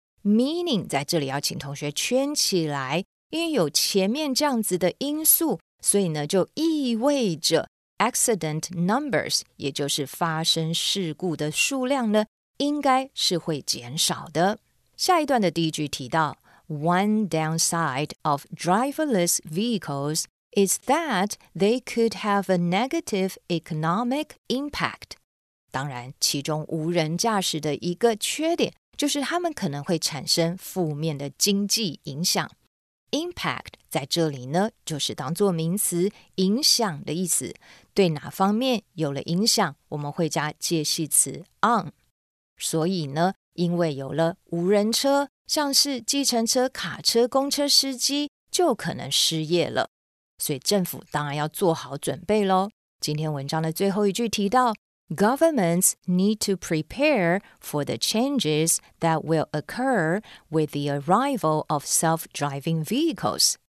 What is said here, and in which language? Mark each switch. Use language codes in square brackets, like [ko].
[zh] meaning 在这里要请同学圈起来因为有前面这样子的因素所以呢就意味着 [en] Accident numbers, [zh] 也就是发生事故的数量呢，应该是会减少的。下一段的第一句提到 [en] One downside of driverless vehicles is that they could have a negative economic impact. [zh] 当然，其中无人驾驶的一个缺点就是他们可能会产生负面的经济影响。 Impact 在这里呢，就是当作名词影响的意思。对哪方面有了影响，我们会加介系词 on。所以呢，因为有了无人车，像是计程车、卡车、公车司机就可能失业了。所以政府当然要做好准备咯。今天文章的最后一句提到 [en] Governments need to prepare for the changes that will occur with the arrival of self-driving vehicles.